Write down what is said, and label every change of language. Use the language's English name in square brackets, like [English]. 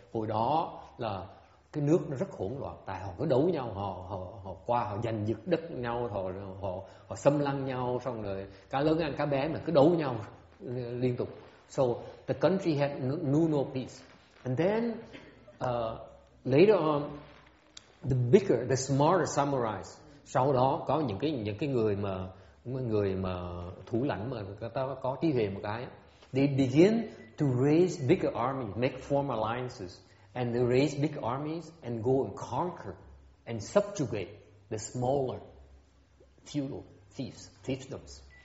[Vietnamese] Hồi đó là cái nước nó rất hỗn loạn, tại họ cứ đấu nhau, họ qua, họ giành giật đất nhau, họ xâm lăng nhau, xong rồi cá lớn ăn cá bé mà cứ đấu nhau liên tục. [English] So the country had no peace. And then later on, the bigger, the smarter samurais. [Vietnamese] Sau đó có những cái người mà thủ lãnh mà người ta có trí huệ một cái, [English] they begin to raise bigger armies, make form alliances. And they raise big armies and go and conquer and subjugate the smaller feudal fiefdoms.